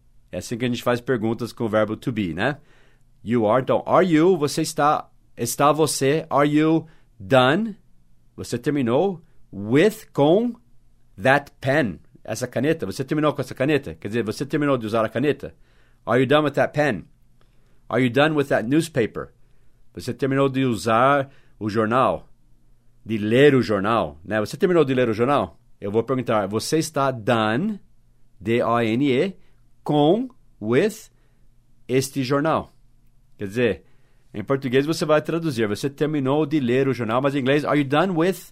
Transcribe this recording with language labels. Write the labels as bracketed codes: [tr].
[pt] É assim que a gente faz perguntas com o verbo to be, né? [en] You are, [pt] então, [en] are you, [pt] você está, está você, [en] are you done? [pt] Você terminou with, com, [en] that pen, [pt] essa caneta. Você terminou com essa caneta? Quer dizer, você terminou de usar a caneta? [en] Are you done with that pen? Are you done with that newspaper? [pt] Você terminou de usar o jornal? De ler o jornal, né? Você terminou de ler o jornal? Eu vou perguntar, você está done, D-O-N-E, com, with, este jornal? Quer dizer, em português você vai traduzir, você terminou de ler o jornal, mas em inglês, [en] are you done with?